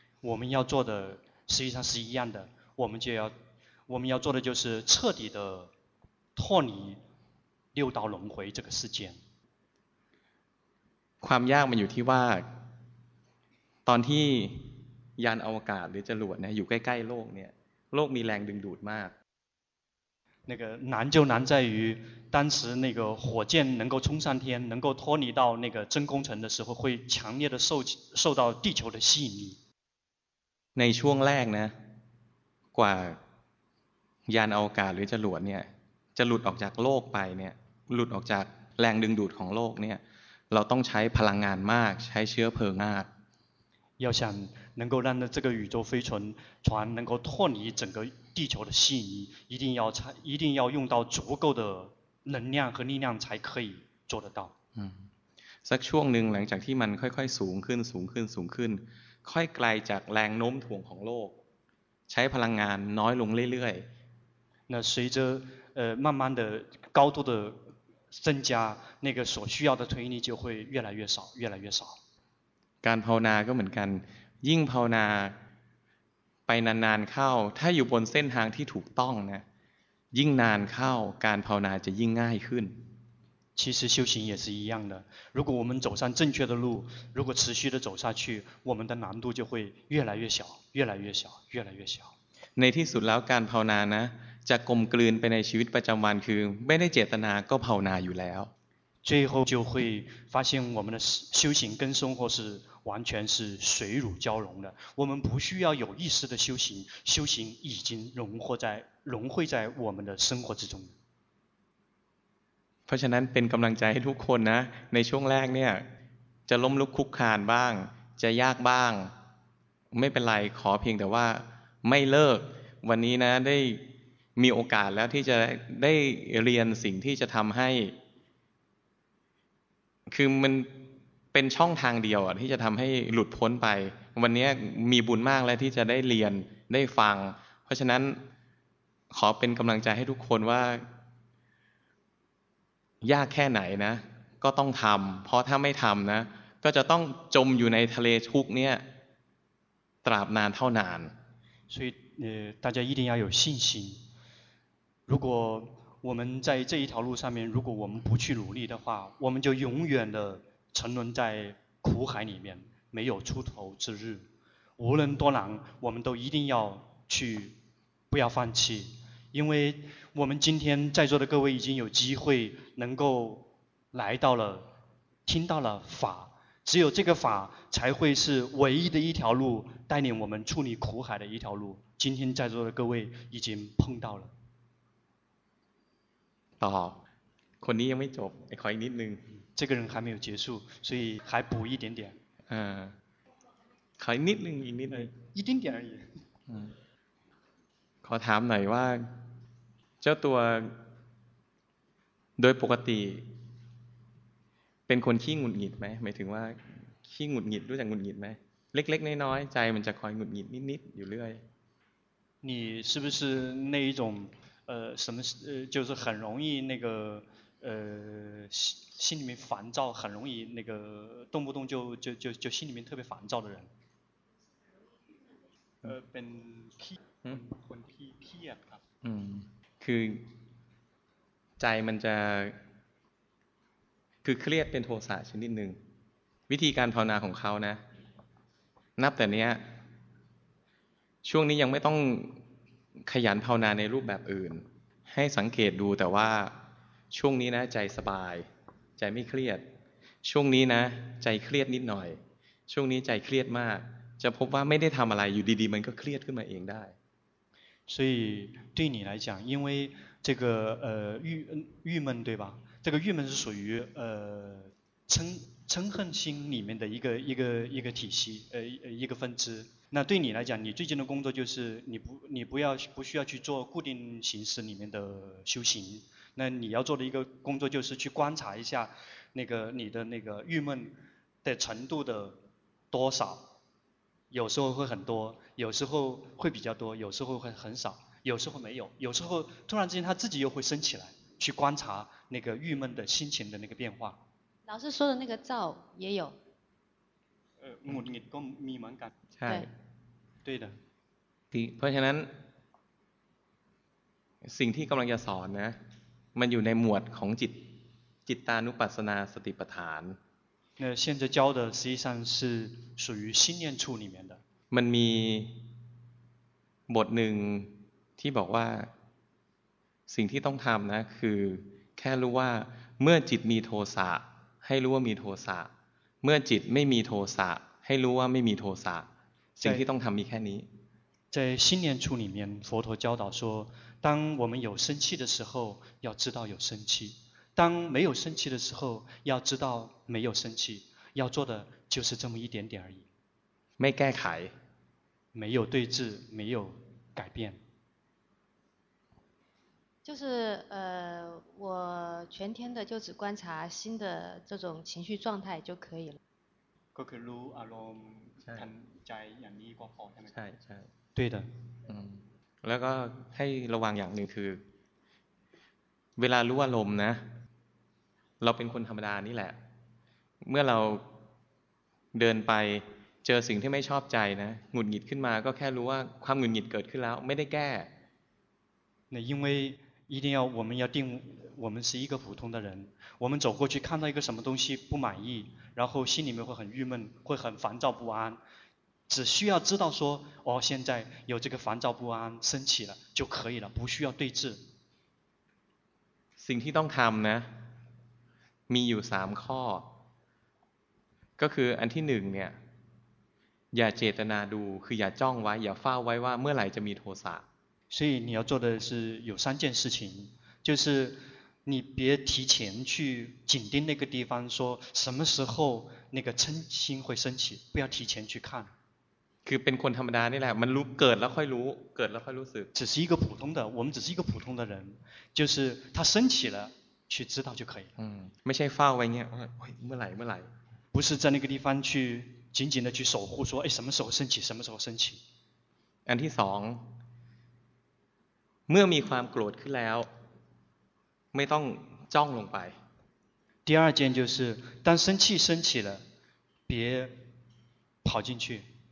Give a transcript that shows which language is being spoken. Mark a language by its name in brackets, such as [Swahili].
[Chinese] 我们要做的实际上是一样的我们要做的就是彻底的脱离六道轮回这个世间 [Thai] ความยากมันอยู่ที่ว่าตอนที่ยานอวกาศหรือจรวดเนี่ยอยู่ใกล้ๆโลกเนี่ยโลกมีแรงดึงดูดมาก [Chinese] 那个难就难在于当时那个火箭能够冲上天能够脱离到那个真空层的时候会强烈的受到地球的吸引力 [Thai] ในช่วงแรกนะกว่ายานอวกาศหรือจรวดเนี่ยจะหลุดออกจากโลกไปเนี่ยหลุดออกจากแรงดึงดูดของโลกเนี่ยเราต้องใช้พลังงานมากใช้เชื้อเพลิงมาก [Chinese] 要想能够让这个宇宙飞船船能够脱离整个地球的吸引力一定要用到足够的能量和力量才可以做得到 [Thai] สักช่วงนึงหลังจากที่มันค่อยๆสูงขึ้นสูงขึ้นสูงขึ้นค่อยไกลจากแรงโน้มถ่วงของโลกใช้พลังงานน้อยลงเรื่อย [Chinese] ๆ那随着慢慢的高度的增加那个所需要的推力就会越来越少越来越少 [Thai] การภาวนาก็เหมือนกันยิ่งภาวนาไปนานๆเข้าถ้าอยู่บนเส้นทางที่ถูกต้องนะยิ่งนานเข้าการภาวนาจะยิ่งง่ายขึ้น [Chinese] 其实修行也是一样的，如果我们走上正确的路，如果持续的走下去，我们的难度就会越来越小，越来越小，越来越小。 [Thai] ในที่สุดแล้วการภาวนานะจะกลมกลืนไปในชีวิตประจำวันคือไม่ได้เจตนาก็ภาวนาอยู่แล้ว [Chinese] 最后就会发现我们的修行跟生活是完全是水乳交融的，我们不需要有意识的修行，修行已经融汇在我们的生活之中。 [Thai] เพราะฉะนั้นเป็นกำลังใจให้ทุกคนนะในช่วงแรกเนี่ยจะล้มลุกคลุกคลานบ้างจะยากบ้างไม่เป็นไรขอเพียงแต่ว่าไม่เลิกวันนี้นะได้มีโอกาสแล้วที่จะได้เรียนสิ่งที่จะทำให้ คือมันเป็นช่องทางเดียวที่จะทำให้หลุดพ้นไปวันนี้มีบุญมากแล้วที่จะได้เรียนได้ฟังเพราะฉะนั้นขอเป็นกำลังใจให้ทุกคนว่ายากแค่ไหนนะก็ต้องทำเพราะถ้าไม่ทำนะก็จะต้องจมอยู่ในทะเลทุกข์เนี่ยตราบนานเท่านาน [Chinese] 所以大家一定要有信心，如果我们在这一条路上面，如果我们不去努力的话，我们就永远的沉沦在苦海里面，没有出头之日。无论多难，我们都一定要去，不要放弃，因为我们今天在座的各位已经有机会能够来到了，听到了法，只有这个法才会是唯一的一条路，带领我们处理苦海的一条路。今天在座的各位已经碰到了。 [Thai] 哦，คนนี้ยังไม่จบ，ขออีกนิดนึง。 [Chinese] 这个人还没有结束，所以还补一点点。 [Thai] 嗯，ขออีกนิดนึง，อีกนิดนึง， [Chinese] 一丁点而已。嗯。 [Thai] ขอถามหน่อยว่าเจ้าตัวโดยปกติเป็นคนขี้หงุดหงิดไหมหมายถึงว่าขี้หงุดหงิดรู้จักหงุดหงิดไหมเล็กๆน้อยๆใจมันจะคอยหงุดหงิดนิดๆอยู่เรื่อย [Chinese] 你是不是那一种什么就是很容易那个心里面烦躁很容易那个动不动就心里面特别烦躁的人 [Thai] เป็นขี้คนที่เครียดครับ คือใจมันจะคือเครียดเป็นโทสะชนิดหนึ่งวิธีการภาวนาของเขานะนับแต่นี้ช่วงนี้ยังไม่ต้องขยันภาวนาในรูปแบบอื่นให้สังเกตดูแต่ว่าช่วงนี้นะใจสบายใจไม่เครียดช่วงนี้นะใจเครียดนิดหน่อยช่วงนี้ใจเครียดมากจะพบว่าไม่ได้ทำอะไรอยู่ดีๆมันก็เครียดขึ้นมาเองได้ [Chinese] 所以对你来讲因为这个郁闷对吧这个郁闷是属于嗔恨心里面的一个体系一个分支那对你来讲你最近的工作就是你不需要去做固定形式里面的修行那你要做的一个工作就是去观察一下那个你的那个郁闷的程度的多少有时候会很多有时候会比较多有时候会很少有时候没有有时候突然之间他自己又会升起来去观察那个郁闷的心情的那个变化老师说的那个躁也有 [Thai] หงุดหงิดก็มีเหมือนกัน ใช่ [Chinese] 对的 [Thai] เพราะฉะนั้นสิ่งที่กำลังจะสอนนะมันอยู่ในหมวดของจิตตานุปัสสนาสติปัฏฐาน [Chinese] 那现在教的实际上是属于心念处里面的。 [Thai] มันมีบทหนึ่งที่บอกว่าสิ่งที่ต้องทำนะคือแค่รู้ว่าเมื่อจิตมีโทสะให้รู้ว่ามีโทสะเมื่อจิตไม่มีโทสะให้รู้ว่าไม่มีโทสะสิ่งที่ต้องทำมีแค่นี้ [Chinese] 在心念处里面佛陀教导说当我们有生气的时候要知道有生气当没有生气的时候要知道没有生气要做的就是这么一点点而已没改改没有对峙没有改变就是我全天的就只观察新的这种情绪状态就可以了 [Thai] ก็คือรู้อารมณ์ทันใจอย่างนี้ก็พอใช่ไหม ใช่ใช่ [Chinese] 对的 [Thai] แล้วก็ให้ระวังอย่างหนึ่งคือเวลารู้อารมณ์นะเราเป็นคนธรรมดานี่แหละเมื่อเราเดินไปเจอสิ่งที่ไม่ชอบใจนะหงุดหงิดขึ้นมาก็แค่รู้ว่าความหงุดหงิดเกิดขึ้นแล้วไม่ได้แก้ [Chinese] 那因为一定要我们要定我们是一个普通的人，我们走过去看到一个什么东西不满意，然后心里面会很郁闷，会很烦躁不安，只需要知道说哦，现在有这个烦躁不安升起了就可以了，不需要对峙。 [Thai] สิ่งที่ต้องทำนะมีอยู่3ข้อก็คืออันที่1เนี่ยอย่าเจตนาดูคืออย่าจ้องไว้อย่าเฝ้าไว้ว่าเมื่อไหร่จะมีโทสะ [Chinese] 所以你要做的是有三件事情，就是你别提前去紧盯那个地方，说什么时候那个嗔心会升起，不要提前去看。 [Thai] คือเป็นคนธรรมดานี่แหละมันรู้เกิดแล้วค่อยรู้เกิดแล้วค่อยรู้สึก [Chinese] 只是一个普通的我们只是一个普通的人就是它升起了去知道就可以 [Thai] 了ไม่ใช่เฝ้าไว้เงี้ยเมื่อไหร่เมื่อไหร่ [Chinese] 不是在那个地方去紧紧的去守护说哎什么时候升起什么时候升起 [Thai] อันที่สองเมื่อมีความโกรธขึ้นแล้วไม่ต้องจ้องลงไป [Chinese] 第二件就是当生气升起了别跑进去